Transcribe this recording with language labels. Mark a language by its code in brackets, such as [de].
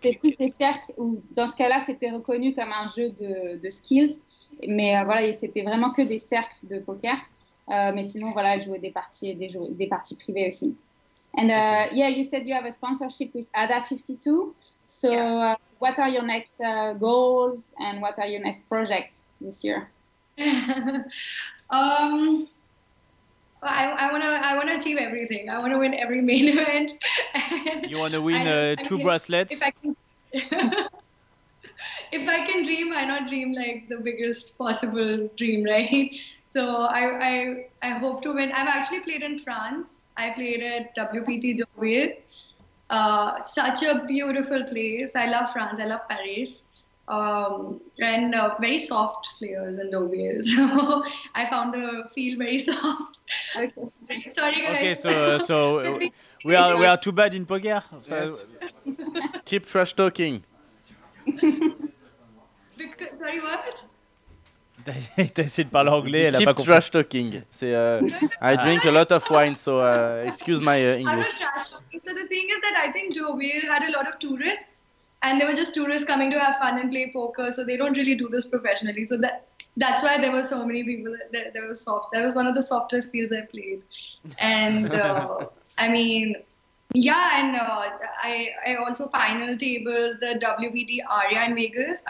[fr] C'est plus des cercles où, dans ce cas-là, c'était reconnu comme un jeu de skills, mais voilà, c'était vraiment que des cercles de poker. Mais sinon, voilà, elle jouait des parties privées aussi. [en] And yeah, you said you have a sponsorship with ADA52. So, yeah. What are your next goals and what are your next projects this year? I want to achieve everything. I want to win every main event. You want to win two bracelets? If I can dream, why not dream like the biggest possible dream, right? So I hope to win. I've actually played in France. I played at WPT Deauville. Such a beautiful place. I love France. I love Paris. And very soft players in Deauville. So I found the field very soft. Okay. Sorry, guys. Okay, so we are too bad in poker. So yes. Keep trash talking. Sorry, what? [fr] T'as essayé de parler anglais, elle a pas compris. [en] Keep trash talking. [fr] C'est, [en] I drink a lot of wine, so excuse my English. I'm not trash talking. So the thing is that I think Deauville had a lot of tourists, and there were just tourists coming to have fun and play poker, so they don't really do this professionally. So that's why there were so many people. There was soft. That was one of the softest fields I played. And I mean, yeah, and I also final table the WBD Aria in Vegas.